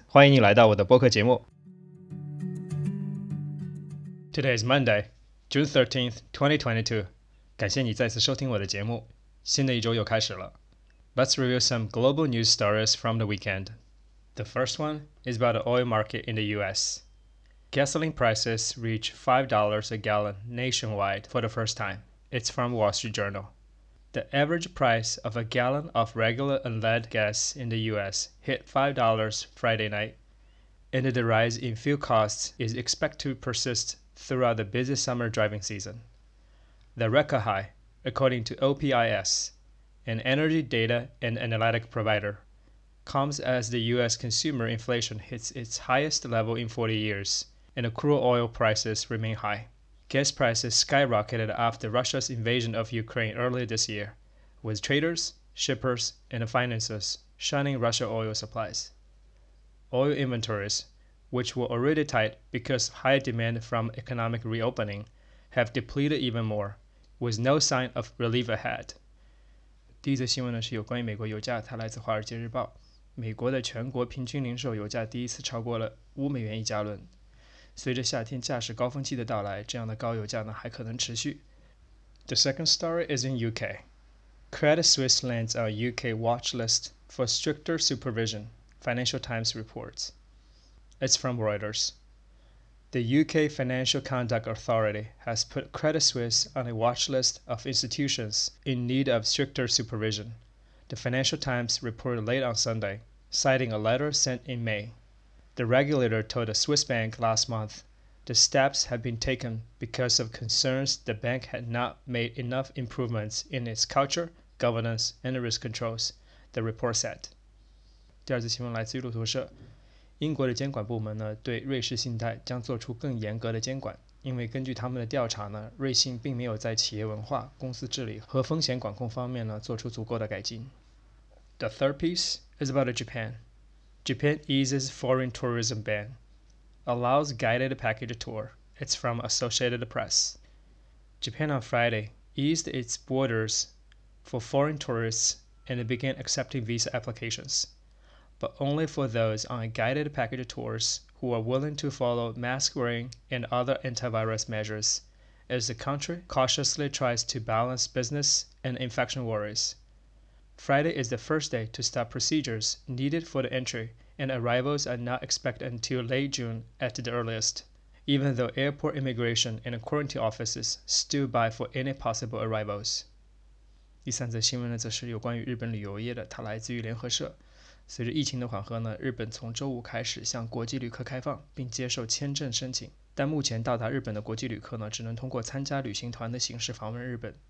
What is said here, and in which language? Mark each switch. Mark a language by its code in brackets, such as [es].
[zh] 欢迎你来到我的播客节目。 [en] Today is Monday, June 13th, 2022. [zh] 感谢你再次收听我的节目。新的一周又开始了。 [en] Let's review some global news stories from the weekend. The first one is about the oil market in the US. Gasoline prices reach $5 a gallon nationwide for the first time. It's from Wall Street Journal. The average price of a gallon of regular unleaded gas in the U.S. hit $5 Friday night, and the rise in fuel costs is expected to persist throughout the busy summer driving season. The record high, according to OPIS, an energy data and analytic provider, comes as the U.S. consumer inflation hits its highest level in 40 years, and the crude oil prices remain high. Gas prices skyrocketed after Russia's invasion of Ukraine earlier this year, with traders, shippers, and financiers shunning Russia oil supplies. Oil inventories, which were already tight because of high demand from economic reopening, have depleted even more, with no sign of relief ahead. [zh] 第一则新闻呢是有关于美国油价，它来自《华尔街日报》。美国的全国平均零售油价第一次超过了$5一加仑。随着夏天驾驶高峰期的到来，这样的高油价呢还可能持续。 [en] The second story is in UK. Credit Suisse lands on UK watch list for stricter supervision, Financial Times reports. It's from Reuters. The UK Financial Conduct Authority has put Credit Suisse on a watch list of institutions in need of stricter supervision, the Financial Times reported late on Sunday, citing a letter sent in May. The regulator told a Swiss bank last month the steps had been taken because of concerns the bank had not made enough improvements in its culture, governance, and risk controls, the report said. [zh] 第二则新闻来自于路透社。英国的监管部门呢对瑞士信贷将做出更严格的监管，因为根据他们的调查呢，瑞信并没有在企业文化、公司治理和风险管控方面呢做出足够的改进。 [en] The third piece is about Japan. Japan eases foreign tourism ban, allows guided package tour. It's from Associated Press. Japan on Friday eased its borders for foreign tourists and began accepting visa applications, but only for those on guided package tours who are willing to follow mask wearing and other antivirus measures, as the country cautiously tries to balance business and infection worries. Friday is the first day to start procedures needed for the entry, and arrivals are not expected until late June at the earliest, even though airport immigration and quarantine offices stood by for any possible arrivals. [zh] 第三则新闻呢，则是有关于日本旅游业的，它来自于联合社。随着疫情的缓和呢，日本从周五开始向国际旅客开放，并接受签证申请。但目前到达日本的国际旅客呢，只能通过参加旅行团的形式访问日本。